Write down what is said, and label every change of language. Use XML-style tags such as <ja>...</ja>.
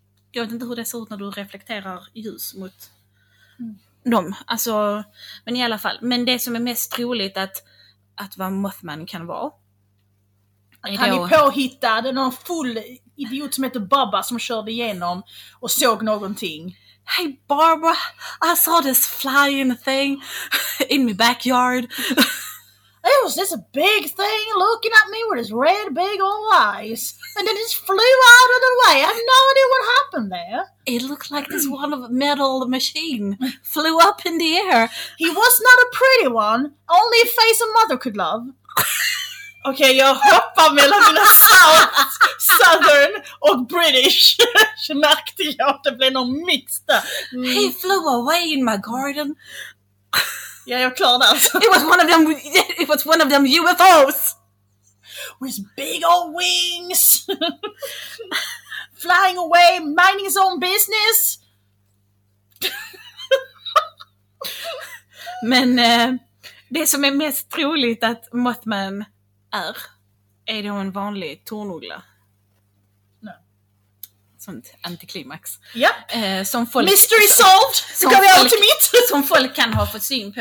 <sv>Jag vet inte hur det ser ut när du reflekterar ljus mot dem. Alltså, men i alla fall. Men det som är mest troligt att vad Mothman kan vara. Att han är påhittad, någon full idiot som heter Bubba som körde igenom och såg någonting.</sv> <en>Hey Barbara, I saw this flying thing in my backyard. It was just a big thing looking at me with its red big old eyes. And then it just flew out of the way. I have no idea what happened there. It looked like this one of a metal machine flew up in the air. He was not a pretty one. Only a face a mother could love.</en> <sv>Okej, jag hoppar mellan mina southern och British. Så märkte jag att det blev någon mix där. Mm.</sv> <en>He flew away in my garden.</en> <sv>Ja, jag klarade alltså.</sv> <en>It was one of them UFOs. With big old wings. Flying away, minding his own business.</en> <sv>Men det som är mest troligt att Mothman är, Är det en vanlig tornugla? Nej. Sånt antiklimax. Japp.</sv> <en>Mystery solved!</en> <sv>Som folk, Mystery som, solved. Folk, som folk kan ha fått syn på.</sv>